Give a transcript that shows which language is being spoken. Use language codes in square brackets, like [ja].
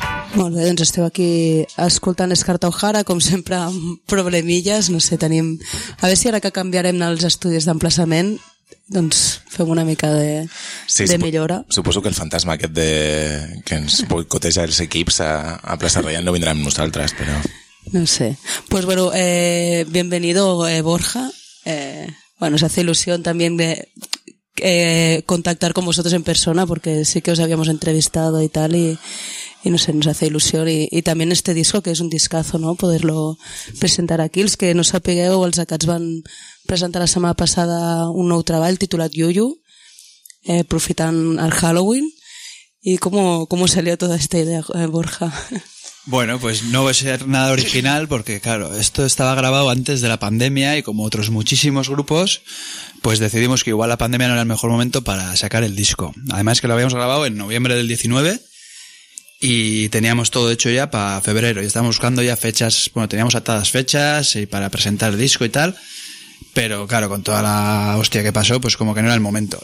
[ca] Molt bé, doncs esteu aquí escoltant Escarta O'Hara, com sempre, amb problemilles, no sé, tenim... A veure si ara que canviarem els estudis d'emplaçament, doncs fem una mica de, sí, de millora. Suposo que el fantasma aquest de... que ens boicoteja els equips a Plaça Reial no vindrà amb nosaltres, però... No sé. [es] Pues bueno, bienvenido, Borja. Bueno, se hace ilusión también de... contactar con vosotros en persona porque sí que os habíamos entrevistado y tal y no sé, nos hace ilusión y también este disco que es un discazo, ¿no? [ca] Poderlo presentar aquí, els que no sapigueu, els Acats van presentar la setmana passada un nou treball titulat Yuyu, aprofitant el Halloween. [es] ¿Y cómo salió toda esta idea, Borja? Bueno, pues no va a ser nada original porque, claro, esto estaba grabado antes de la pandemia y como otros muchísimos grupos, pues decidimos que igual la pandemia no era el mejor momento para sacar el disco. Además que lo habíamos grabado en noviembre del 19 y teníamos todo hecho ya para febrero y estábamos buscando ya fechas, bueno, teníamos atadas fechas y para presentar el disco y tal, pero claro, con toda la hostia que pasó, pues como que no era el momento.